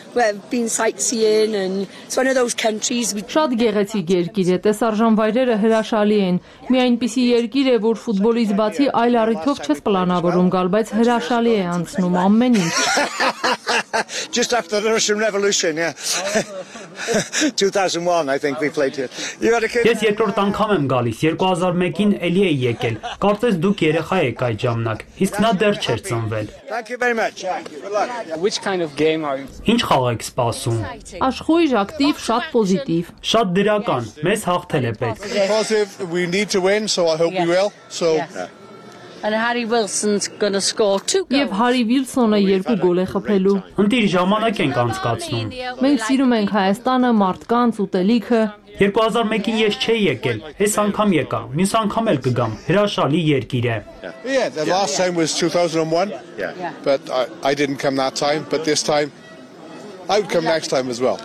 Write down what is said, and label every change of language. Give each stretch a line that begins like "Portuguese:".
English: We've been sightseeing and it's one of those countries we
Armenian: շատ գեղեցիկ երկիր է, տեսարժան վայրերը հրաշալի են։ Մի այնպիսի երկիր է, որ ֆուտբոլից բացի այլ առիթով չես պլանավորում գալ, բայց հրաշալի է անցնում ամեն ինչ։
English: Just after the Russian Revolution, yeah. 2001, I think we played here. You had a kid.
Armenian: Ես երկրորդ անգամ եմ գալիս, 2001-ին էլի է եկել։ Կարծես դուք երեխա եք այդ ժամանակ, իսկ նա դեռ չէր ծնվել։
English: Thank you very much. Which kind of game are you?
Armenian: Ինչ խաղ եք սպասում? Աշխույժ, ակտիվ, շատ պոզիտիվ։ Շատ դրական, մեզ հաղթել է պետք։
English: Positive, we need to win, so I hope we will. So And Harry Wilson's going to score 2 goals.
Armenian: Եվ Harry Wilson-ը 2 գոլ է խփելու։ Ընդդիր ժամանակ ենք անցկացնում։ Մենք սիրում ենք Հայաստանը, մարդկանց, ուտելիքը։ 2001-ին ես չէի եկել, այս անգամ եկա, մյուս անգամ էլ կգամ, հրաշալի երկիր է։
English: Yeah, the last time was 2001. Yeah. But I didn't come that time, but this time I would come next time as well.